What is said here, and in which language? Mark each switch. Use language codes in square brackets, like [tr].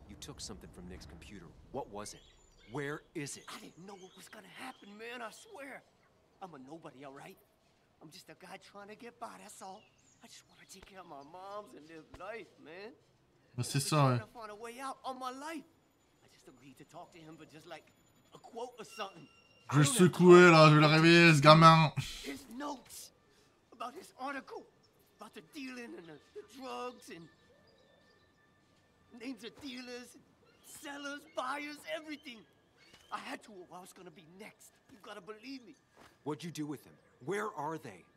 [en] You took something from Nick's computer. What was it? Where is it? I didn't know what was gonna happen, man, I swear. I'm a nobody, all right? I'm just a guy trying to get by, that's all. I just want to take care of my moms and live life, man. What's this song? I'm trying to find a way out on my life. I just agreed to talk to him for just like a quote or something. [fr] Je vais secouer là, je vais le réveiller, ce gamin. [en] His notes. About this article, about the dealing and the drugs and names of dealers, sellers, buyers, everything. I had to know I was gonna be next. You gotta believe me. What'd you do with them? Where are they?